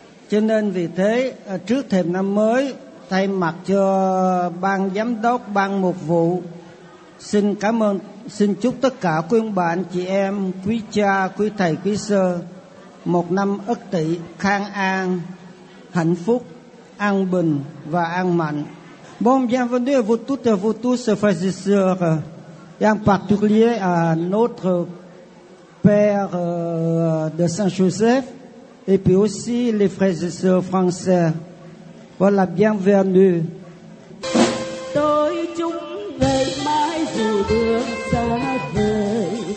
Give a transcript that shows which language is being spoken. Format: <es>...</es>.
<vi>Cho nên vì thế trước thềm năm mới, thay mặt cho ban giám đốc, ban mục vụ, xin cảm ơn, xin chúc tất cả quý ông bạn chị em, quý cha, quý thầy, quý sơ một năm Ất Tỵ khang an, hạnh phúc, an bình và an mạnh.</vi> <fr>Bon bienvenue à vous toutes et vous tous, frères et sœurs, et en particulier à notre père de Saint-Joseph, et puis aussi les frères et sœurs français. Voilà, bienvenue.</fr> <vi>Tôi chúc ngày mai dù đường xa về.</vi>